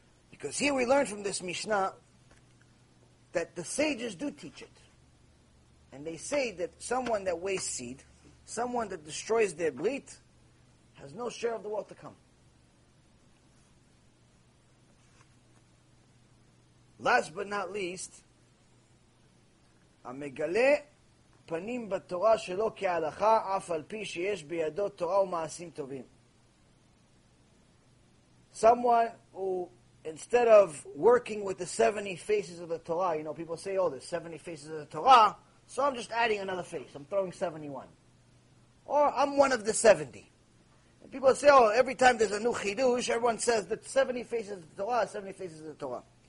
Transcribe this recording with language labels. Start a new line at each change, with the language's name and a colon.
English: Because here we learn from this Mishnah that the sages do teach it. And they say that someone that wastes seed, someone that destroys their bleat, has no share of the world to come. Last but not least,
Hebrew: המגלה פנים בתורה שלו כהלכה אף על פי שיש בידו תורה ומעשים טובים.
English: Someone who, instead of working with the 70 faces of the Torah, you know, people say, oh, there's 70 faces of the Torah, so I'm just adding another face. I'm throwing 71. Or I'm one of the 70. And people say, oh, every time there's a new chidush, everyone says that 70 faces of the Torah, 70 faces of the Torah.